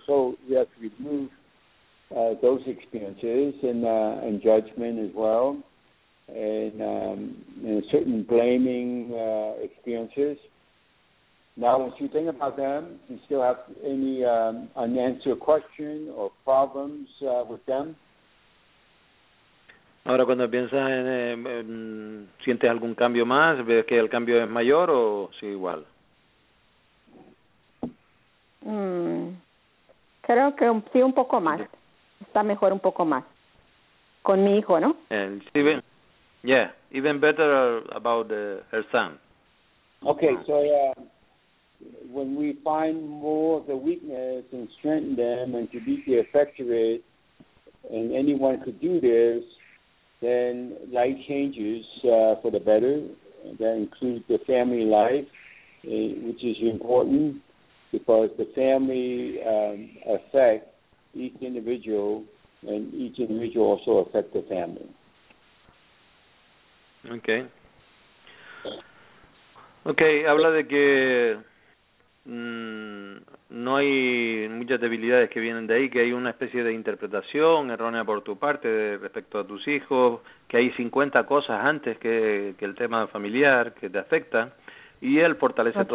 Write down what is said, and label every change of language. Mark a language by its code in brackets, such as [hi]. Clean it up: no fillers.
[en] So you have to remove those experiences and judgment as well, and certain blaming experiences. Now, once you think about them, do you still have any unanswered question or problems with them? [es] Ahora, cuando piensas en ¿sientes algún cambio más? ¿Ves que el cambio es mayor o sigue igual? Creo que sí, un poco más. Está mejor un poco más. Con mi hijo, ¿no? [en] Even better about her son. Okay, so when we find more of the weakness and strengthen them and to be the effective, and anyone could do this, then life changes for the better, that include the family life, which is important because the family affects each individual, and each individual also affects the family. Okay. [es] Okay, habla de que no hay muchas debilidades que vienen de ahí, que hay una especie de interpretación errónea por tu parte de, respecto a tus hijos, que hay 50 cosas antes que el tema familiar que te afecta, y él fortalece okay.